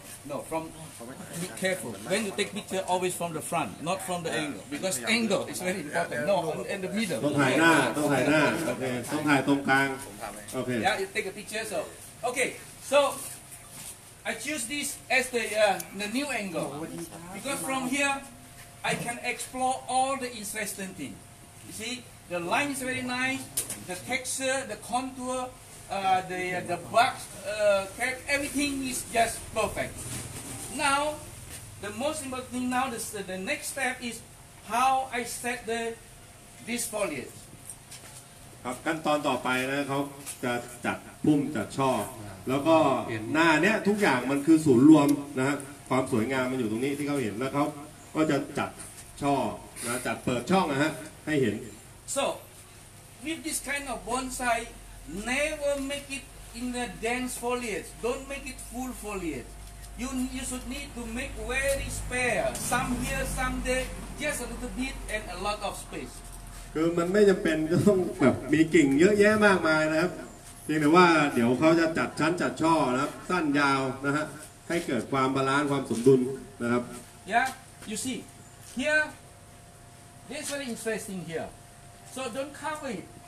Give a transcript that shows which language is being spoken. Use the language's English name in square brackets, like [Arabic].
[English] no from be careful when you take picture always from the front not from the angle because angle is very important no in the middle [Thai] ต้องถ่ายหน้าโอเคต้องถ่ายตรงกลางโอเค [English] yeah you take a picture so okay so I choose this as the new angle because from hereI can explore all the interesting things. You see, the line is very nice, the texture, the contour, the bark, everything is just perfect. Now, the most important thing now, the next step is how I set this foliage. [Thai] ครับขั้นตอนต่อไปนะเขาจะจัดพุ่มจัดช่อแล้วก็หน้าเนี้ยทุกอย่างมันคือศูนย์รวมนะฮะความสวยงามมันอยู่ตรงนี้ที่เขาเห็นแล้วเขาก็จะจัดช่อนะจัดเปิดช่องนะฮะให้เห็น [English] so with this kind of bonsai never make it in the dense foliage don't make it full foliage you should need to make very spare some here some there just a little bit and a lot of space [Thai] คือมันไม่จำเป็นก็ต้องแบบมีกิ่งเยอะแยะมากมายนะครับเพียงแต่ว่าเดี๋ยวเขาจะจัดชั้นจัดช่อนะครับสั้นยาวนะฮะให้เกิดความบาลานซ์ความสมดุลนะครับ [English] yeah you seeHere, there's very interesting here. So don't cover it.